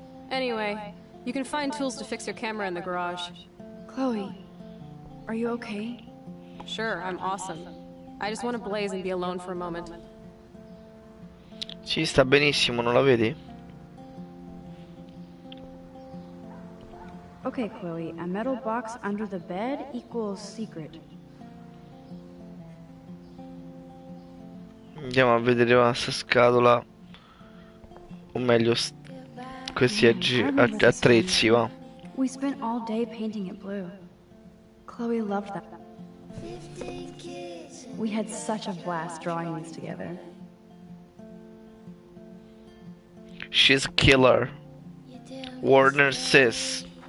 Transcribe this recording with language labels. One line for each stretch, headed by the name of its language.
English: Anyway, you can find tools to fix your camera in the garage. Chloe, are you okay? Sure, I'm awesome. I just want to blaze and be alone for a moment.
Italian: Sì, sta benissimo, non la vedi?
English: Okay, Chloe, a metal box under the bed equals secret.
Italian: Andiamo a vedere questa scatola. O meglio, questi attrezzi, va.
English: We spent all day painting it blue. Chloe loved them. We had such a blast drawing these together. She's killer. Warner sis.